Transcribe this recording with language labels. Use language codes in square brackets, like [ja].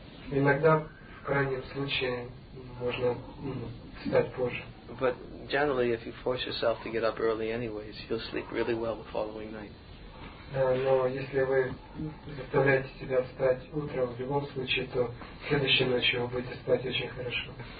[ru] Иногда в крайнем случае можно встать позже. [en] But generally, if you force yourself to get up early, anyways, you'll sleep really well the following night. [ru] Но если вы заставляете себя встать утром, в любом случае, то следующей ночью вы будете спать очень хорошо.